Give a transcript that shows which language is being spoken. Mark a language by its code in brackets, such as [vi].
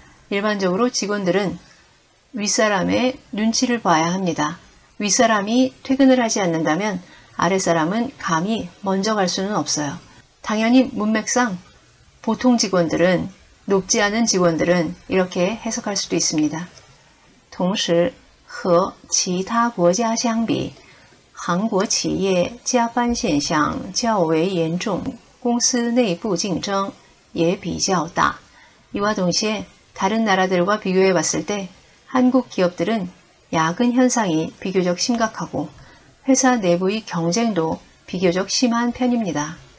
[ko] 일반적으로 직원들은 윗사람의 눈치를 봐야 합니다. 윗사람이 퇴근을 하지 않는다면 아랫사람은 감히 먼저 갈 수는 없어요. 당연히 문맥상 보통 직원들은, 높지 않은 직원들은 이렇게 해석할 수도 있습니다. 동시 [zh] 和其他国家相比, 한국企业加班现象较为严重，公司内部竞争也比较大. [ko] 이와 동시에 다른 나라들과 비교해 봤을 때 한국 기업들은 야근 현상이 비교적 심각하고 회사 내부의 경쟁도 비교적 심한 편입니다.